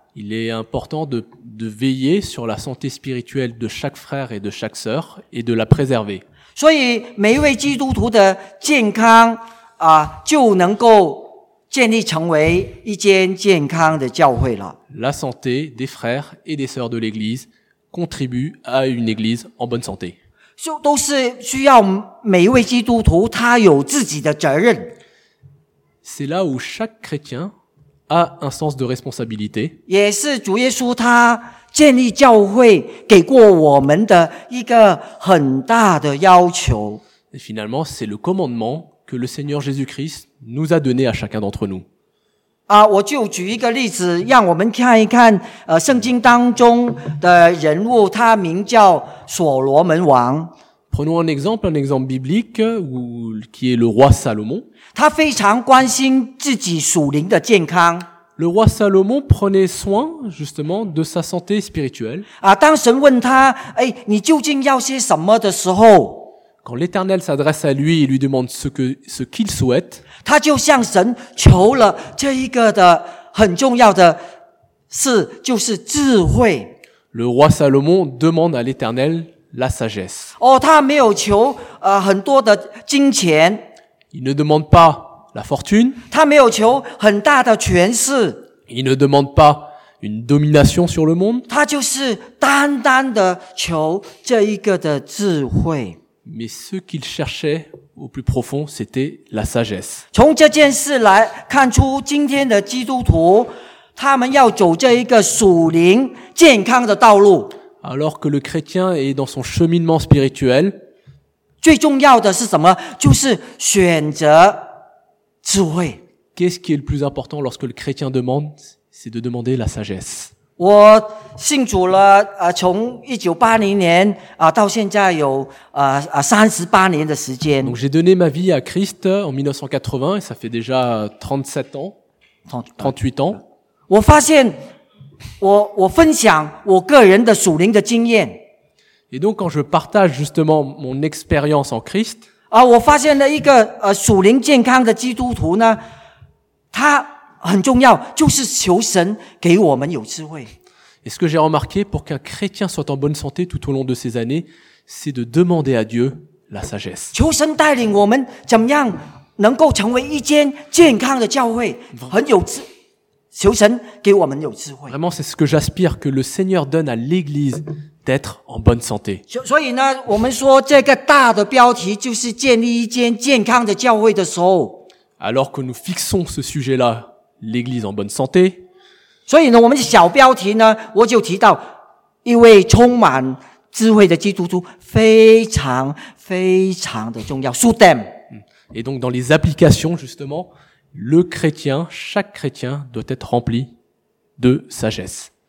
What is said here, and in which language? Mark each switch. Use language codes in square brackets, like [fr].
[fr] Il est important de veiller sur la santé spirituelle de chaque frère et de chaque sœur et de la préserver. [zh] 所以每一位基督徒的健康啊，就能够建立成为一间健康的教会了。 [fr] La santé des frères et des sœurs de l'Église contribue à une Église en bonne santé. [zh] 都是需要每一位基督徒他有自己的责任。 [fr] C'est là où chaque chrétien a un sens de responsabilité. [zh] 也是主耶稣他建立教会给过我们的一个很大的要求。 [fr] Et finalement, c'est le commandement que le Seigneur Jésus-Christ nous a donné à chacun d'entre nous. [zh] 啊，我就举一个例子，让我们看一看，圣经当中的人物，他名叫所罗门王。 [fr] Prenons un exemple biblique où, qui est le roi Salomon. [zh] 他非常关心自己属灵的健康。 [fr] Le roi Salomon prenait soin, justement, de sa santé spirituelle. [zh] 啊，当神问他，哎，你究竟要些什么的时候？ [fr] Quand l'Éternel s'adresse à lui et lui demande ce qu'il souhaite, [zh] 他就向神求了这一个的很重要的事，就是智慧。 [fr] Le roi Salomon demande à l'Éternel la sagesse. [zh] 哦，他没有求很多的金钱。 [fr] Il ne demande pas la fortune. [zh] 他没有求很大的权势。 [fr] Il ne demande pas une domination sur le monde. [zh] 他就是单单的求这一个的智慧。 [fr] Mais ce qu'il cherchait au plus profond, c'était la sagesse. [zh] 从这件事来看出今天的基督徒，他们要走这一个属灵健康的道路。 [fr] Alors que le chrétien est dans son cheminement spirituel, [zh] 最重要的是什么？就是选择智慧。 [fr] Qu'est-ce qui est le plus important lorsque le chrétien demande? C'est de demander la sagesse. [zh] 我信主了从1980年到现在有38年的时间。 [fr] Donc j'ai donné ma vie à Christ en 1980 et ça fait déjà 37 ans, 38 ans. [zh] 我发现我分享我个人的属灵的经验。 [fr] Et donc quand je partage justement mon expérience en Christ, [zh] 我发现了一个属灵健康的基督徒呢，他很重要，就是求神给我们有智慧。 [fr] Et ce que j'ai remarqué pour qu'un chrétien soit en bonne santé tout au long de ses années, c'est de demander à Dieu la sagesse. [zh] 求神带领我们怎么样能够成为一间健康的教会，很有智，求神给我们有智慧。 [fr] Vraiment, c'est ce que j'aspire que le Seigneur donne à l'Église d'être en bonne santé. [zh] 所以呢，我们说这个大的标题就是建立一间健康的教会的时候。 [fr] Alors que nous fixons ce sujet-là. L'église en bonne santé. [zh] 所以呢，我们的小标题呢，我就提到一位充满智慧的基督徒非常非常的重要。 [fr] Sous thème. Et donc dans les applications justement, le chrétien, chaque chrétien doit être rempli de sagesse.